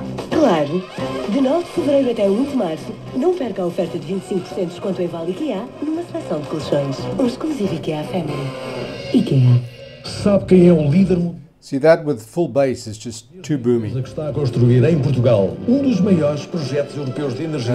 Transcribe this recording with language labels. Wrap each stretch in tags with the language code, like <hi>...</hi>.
<pt>Claro, de 9 de fevereiro até 1 de março, não perca a oferta de 25% de desconto em Vale IKEA numa seleção de colchões. Um exclusivo IKEA Family. IKEA. Sabe quem é o líder?</pt> <en>See, that with full bass is just too boomy.</en> <pt>Que está a construir em Portugal um dos maiores projetos europeus de energia.</pt>